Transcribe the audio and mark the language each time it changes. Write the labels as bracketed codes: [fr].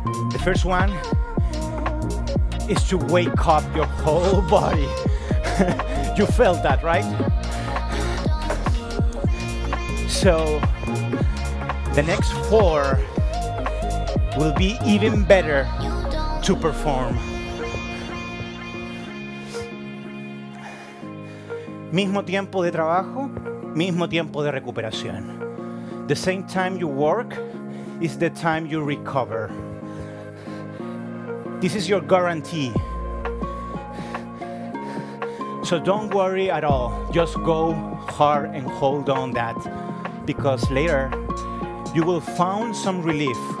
[en] The first one is to wake up your whole body. You felt that, right? So the next four will be even better to perform. [es] Mismo tiempo de trabajo, mismo tiempo de recuperación. [en] The same time you work is the time you recover. This is your guarantee. So don't worry at all. Just go hard and hold on that. Because later, you will find some relief.